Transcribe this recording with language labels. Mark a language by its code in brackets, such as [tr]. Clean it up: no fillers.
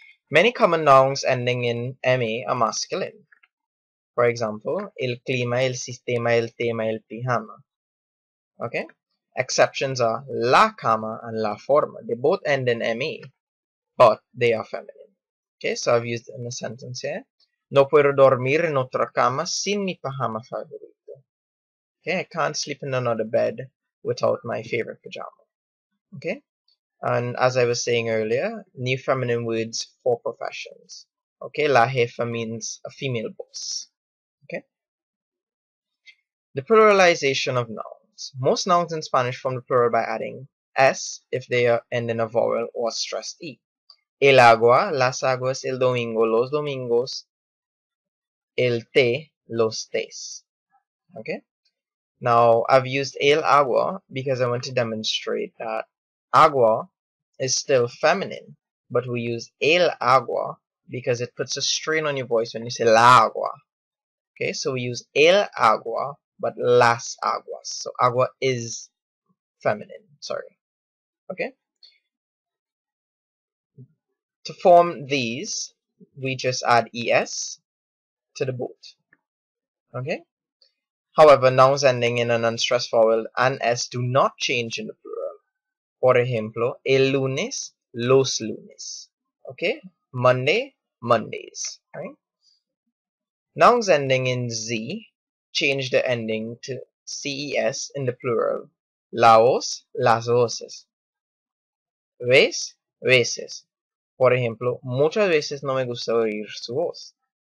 [en] Many common nouns ending in M-A are masculine. For example, el clima, el sistema, el tema, el pijama. Okay? Exceptions are la cama and la forma. They both end in M-A, but they are feminine. Okay, so I've used it in a sentence here. [es] No puedo dormir en otra cama sin mi pijama favorito. [en] Okay, I can't sleep in another bed without my favorite pajama. Okay? And as I was saying earlier, new feminine words for professions. Okay, la jefa means a female boss. Okay? The pluralization of nouns. Most nouns in Spanish form the plural by adding S if they end in a vowel or stressed E. [es] El agua, las aguas, el domingo, los domingos, el té, los tés. [en] Okay? Now, I've used el agua because I want to demonstrate that agua is still feminine, but we use el agua because it puts a strain on your voice when you say la agua. Okay, so we use el agua, but las aguas. So agua is feminine, sorry. Okay? To form these, we just add es to the boot. Okay? However, nouns ending in an unstressed vowel and S do not change in the plural. [es] Por ejemplo, el lunes, los lunes. Okay? Monday, [en] Mondays, right? Nouns ending in Z change the ending to CES in the plural. [es] Laos, las voces. Ves, veces. Por ejemplo, muchas veces no me gusta oír su voz.